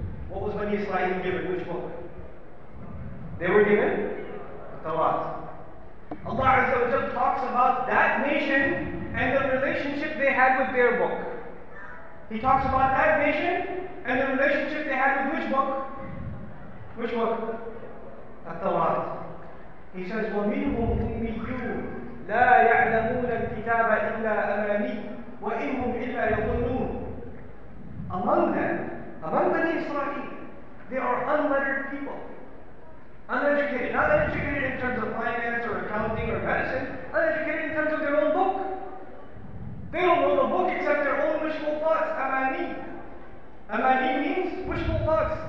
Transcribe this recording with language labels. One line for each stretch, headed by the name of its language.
English: What was Bani Israel given? Which book? They were given? Tawrat. Allah Azza wa Jalla talks about that nation and the relationship they had with their book. He talks about that nation and the relationship they had with which book? Which book? At-Tawrat.
Arabic: He says, وَمِنْهُمْ أُمِّيُّونَ لَا يَعْلَمُونَ الْكِتَابَ إِلَّا أَمَانِيَّ وَإِنْهُمْ إِلَّا يَظُنُّونَ.
English: Among them, among Bani Israel, they are unlettered people. Uneducated, not educated in terms of finance or accounting or medicine, uneducated in terms of their own book. They don't know the book except their own wishful thoughts, amani. Amani means wishful thoughts.